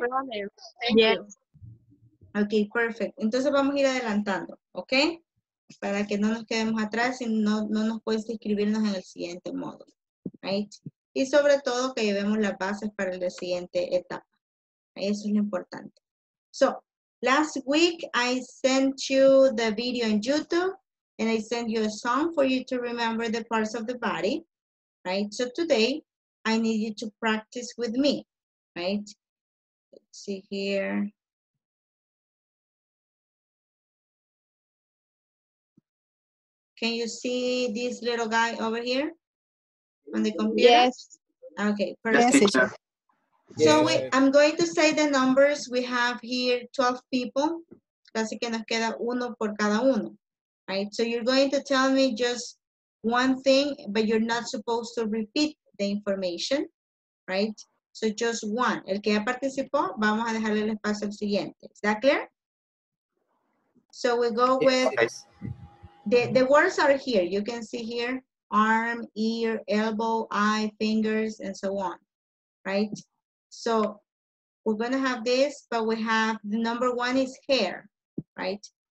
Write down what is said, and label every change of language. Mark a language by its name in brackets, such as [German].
[English] No problem. Yes. Okay, perfect. [Spanish] Entonces vamos a ir adelantando, okay? Para que no nos quedemos atrás y no nos cueste inscribirnos en el siguiente módulo, right? Y sobre todo que llevemos las bases para la siguiente etapa. Eso es lo importante. [English] So, last week I sent you the video in YouTube. And I send you a song for you to remember the parts of the body, right? So today, I need you to practice with me, right? Let's see here. Can you see this little guy over here on the computer? Yes. Okay, perfect. Yes, so I'm going to say the numbers. We have here 12 people. [Spanish] Casi que nos queda uno por cada uno. [English] Right, so you're going to tell me just one thing, but you're not supposed to repeat the information, right? So just one. [Spanish] El que ya participó, vamos a dejarle el espacio al siguiente. [English] Is that clear? So we go with, the words are here. You can see here, arm, ear, elbow, eye, fingers, and so on, right? So we're gonna have this, but we have, the number one is hair, right?